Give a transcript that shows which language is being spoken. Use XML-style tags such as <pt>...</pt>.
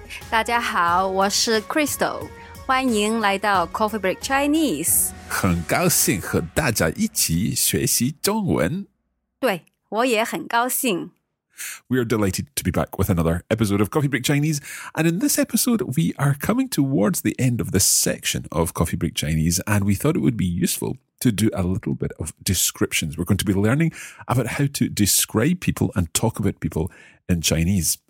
<zh>大家好，我是Crystal. 欢迎来到Coffee Break Chinese. 很高兴和大家一起学习中文。对，我也很高兴。</zh> <en>We are delighted to be back with another episode of Coffee Break Chinese. And in this episode, we are coming towards the end of this section of Coffee Break Chinese, and we thought it would be useful to do a little bit of descriptions. We're going to be learning about how to describe people and talk about people in Chinese.</en>